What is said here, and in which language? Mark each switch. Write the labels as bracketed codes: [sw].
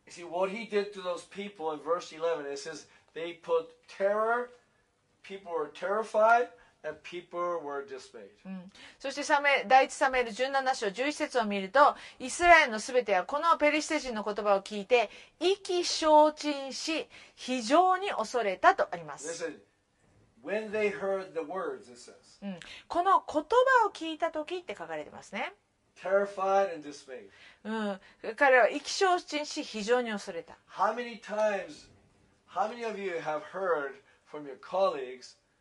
[en] 11 says they put terror. People were terrified. And people were dismayed. [ja] うん、そして第1サムエル17章11節を見るとイスラエルのすべてはこのペリシテ人の言葉を聞いて意気消沈し非常に恐れたとあります。 [en] Listen, when they heard the words, it says,、 [ja] うん、この言葉を聞いた時って書かれてますね。 [en] Terrified and dismayed.、 [ja] うん、彼は意気消沈し非常に恐れた。 [en] How many times, how many of you have heard from your colleagues?